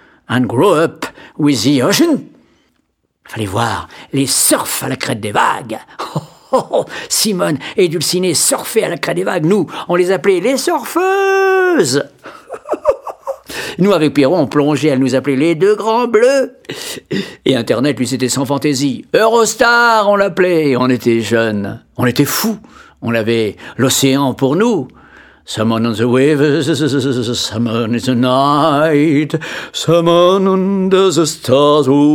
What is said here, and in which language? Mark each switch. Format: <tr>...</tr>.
<en>And grow up with the ocean.</en> <fr>Fallait voir les surfs à la crête des vagues. Oh, oh, oh. Simone et Dulcinée surfaient à la crête des vagues. Nous, on les appelait les surfeuses. Nous, avec Pierrot, on plongeait. Elle nous appelait les deux grands bleus. Et Internet, lui, c'était sans fantaisie. Eurostar, on l'appelait. On était jeunes. On était fous. On avait l'océan pour nous.</fr> <en>Someone on the waves, someone in the night, someone under the stars.</en>